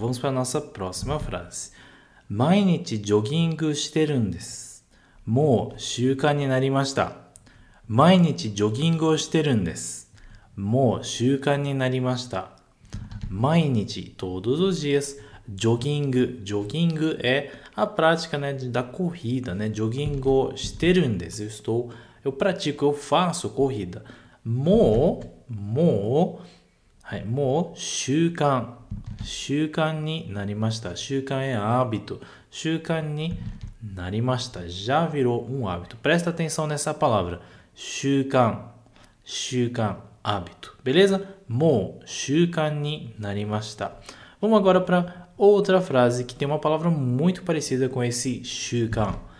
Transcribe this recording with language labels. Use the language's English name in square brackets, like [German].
[Portuguese] Vamos para nossa próxima frase. [Japanese] 毎日ジョギングしてるんです。もう習慣になりました。毎日ジョギングをしてるんです。もう習慣になりました。 [Portuguese] 毎日、todos os dias、ジョギングé a prática, né, da corrida, né? [Japanese] ジョギングをしてるんです。 [Portuguese] eu pratico, eu faço corrida. [Japanese] もう、習慣になりました。 [Portuguese] 習慣 é hábito。 [Japanese] 習慣になりました。 [Portuguese] já virou um hábito。 presta atenção nessa palavra。 習慣、hábito, beleza? [Japanese] もう shūkan になりました。 [Portuguese] Vamos agora para outra frase que tem uma palavra muito parecida com esse shūkan.